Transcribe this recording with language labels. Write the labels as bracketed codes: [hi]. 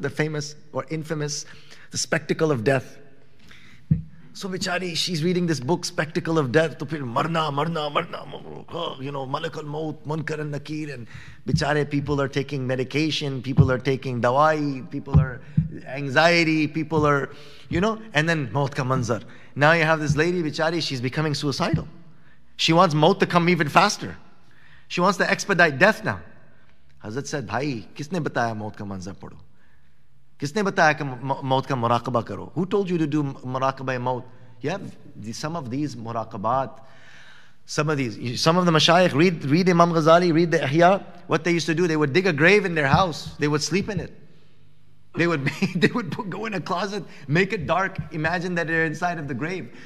[en] The famous or infamous, the spectacle of death. So Bichari, she's reading this book, Spectacle of Death, to feel marna, marna, marna, you know, Malak al-Maut, Munkar al-Nakir, and Bichari, people are taking medication, people are taking dawai, people are anxiety, people are, you know, and then Maut Ka Manzar. Now you have this lady, Bichari, she's becoming suicidal. She wants Maut to come even faster. She wants to expedite death now. [ur] حضرت نے کہا، بھائی، کس نے بتایا موت کا منظر پڑھو؟ کس نے بتایا کہ موت کا مراقبہ کرو؟ [en] Who told you to do muraqabah maut? You have some of these muraqabat, some of the mashayikh, read Imam Ghazali, read the Ihya. What they used to do, they would dig a grave in their house, they would sleep in it. They would go in a closet, make it dark, imagine that they're inside of the grave.